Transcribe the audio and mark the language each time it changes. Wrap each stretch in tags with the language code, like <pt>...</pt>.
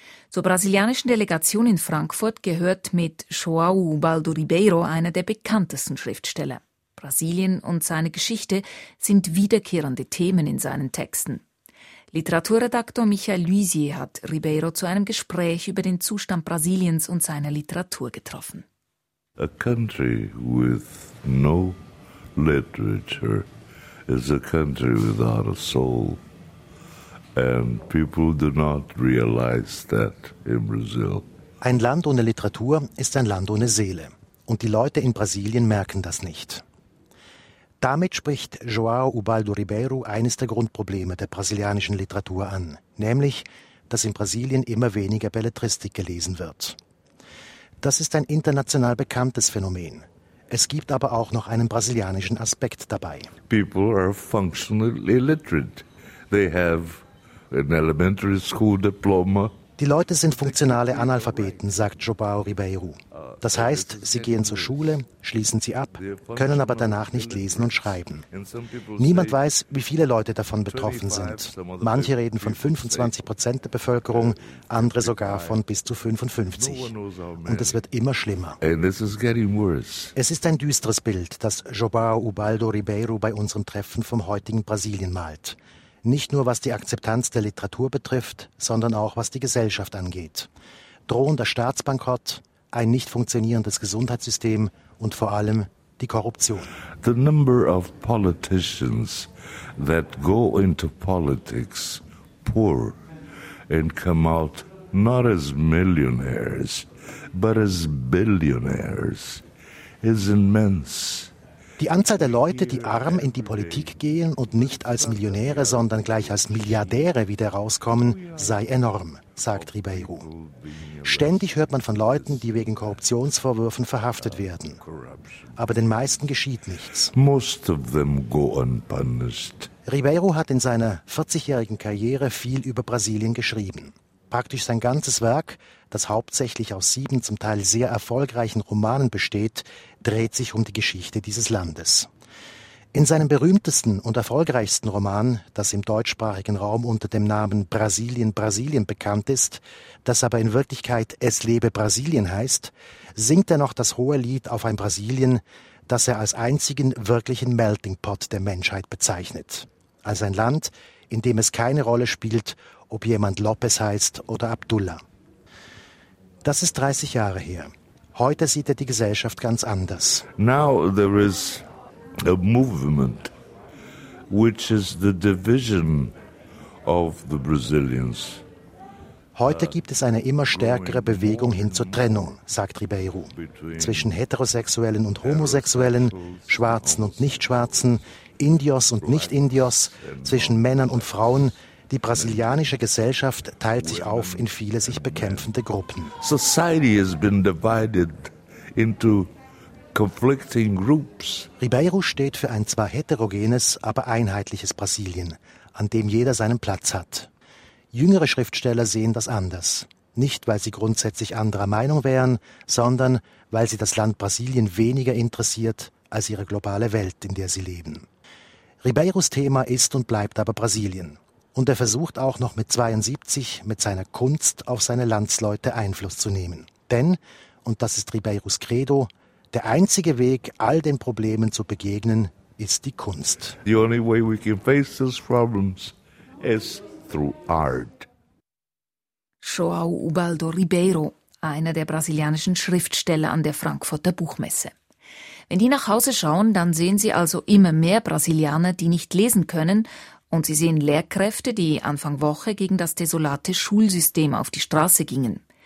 <de>Zur brasilianischen Delegation in Frankfurt gehört mit João Ubaldo Ribeiro einer der bekanntesten Schriftsteller. Brasilien und seine Geschichte sind wiederkehrende Themen in seinen Texten. Literaturredaktor Michael Luisier hat Ribeiro zu einem Gespräch über den Zustand Brasiliens und seiner Literatur getroffen.</de> <en>A country with no literature is a country without a soul. And people do not realize that in Brazil.</en> <de>Ein Land ohne Literatur ist ein Land ohne Seele. Und die Leute in Brasilien merken das nicht. Damit spricht João Ubaldo Ribeiro eines der Grundprobleme der brasilianischen Literatur an, nämlich, dass in Brasilien immer weniger Belletristik gelesen wird. Das ist ein international bekanntes Phänomen. Es gibt aber auch noch einen brasilianischen Aspekt dabei.</de> <en>People are functionally illiterate. They have an elementary school diploma.</en> <de>Die Leute sind funktionale Analphabeten, sagt João Ribeiro. Das heißt, sie gehen zur Schule, schließen sie ab, können aber danach nicht lesen und schreiben. Niemand weiß, wie viele Leute davon betroffen sind. Manche reden von 25% der Bevölkerung, andere sogar von bis zu 55. Und es wird immer schlimmer. Es ist ein düsteres Bild, das João Ubaldo Ribeiro bei unserem Treffen vom heutigen Brasilien malt. Nicht nur was die Akzeptanz der Literatur betrifft, sondern auch was die Gesellschaft angeht. Drohender Staatsbankrott, ein nicht funktionierendes Gesundheitssystem und vor allem die Korruption.</de> <en>The number of politicians that go into politics poor and come out not as millionaires, but as billionaires is immense.</en> <de>Die Anzahl der Leute, die arm in die Politik gehen und nicht als Millionäre, sondern gleich als Milliardäre wieder rauskommen, sei enorm, sagt Ribeiro. Ständig hört man von Leuten, die wegen Korruptionsvorwürfen verhaftet werden. Aber den meisten geschieht nichts.</de> <en>Most of them go unpunished.</en> <de>Ribeiro hat in seiner 40-jährigen Karriere viel über Brasilien geschrieben. Praktisch sein ganzes Werk, das hauptsächlich aus 7 zum Teil sehr erfolgreichen Romanen besteht, dreht sich um die Geschichte dieses Landes. In seinem berühmtesten und erfolgreichsten Roman, das im deutschsprachigen Raum unter dem Namen Brasilien, Brasilien bekannt ist, das aber in Wirklichkeit Es lebe Brasilien heißt, singt er noch das hohe Lied auf ein Brasilien, das er als einzigen wirklichen Melting Pot der Menschheit bezeichnet. Als ein Land, in dem es keine Rolle spielt, ob jemand Lopez heißt oder Abdullah. Das ist 30 Jahre her. Heute sieht er die Gesellschaft ganz anders.</de> <en>Now there is a movement which is the division of the Brazilians.</en> <de>Heute gibt es eine immer stärkere Bewegung hin zur Trennung, sagt Ribeiro. Zwischen Heterosexuellen und Homosexuellen, Schwarzen und Nichtschwarzen, Indios und Nicht-Indios, zwischen Männern und Frauen. Die brasilianische Gesellschaft teilt sich auf in viele sich bekämpfende Gruppen.</de> <en>Society has been divided into conflicting groups.</en> <de>Ribeiro steht für ein zwar heterogenes, aber einheitliches Brasilien, an dem jeder seinen Platz hat. Jüngere Schriftsteller sehen das anders. Nicht, weil sie grundsätzlich anderer Meinung wären, sondern weil sie das Land Brasilien weniger interessiert als ihre globale Welt, in der sie leben. Ribeiros Thema ist und bleibt aber Brasilien. Und er versucht auch noch mit 72 mit seiner Kunst auf seine Landsleute Einfluss zu nehmen. Denn, und das ist Ribeiros Credo, der einzige Weg, all den Problemen zu begegnen, ist die Kunst.</de> <en>The only way we can face these problems is through art.</en> <de>João Ubaldo Ribeiro, einer der brasilianischen Schriftsteller an der Frankfurter Buchmesse. Wenn die nach Hause schauen, dann sehen sie also immer mehr Brasilianer, die nicht lesen können, und sie sehen Lehrkräfte, die Anfang Woche gegen das desolate Schulsystem auf die Straße gingen.</de>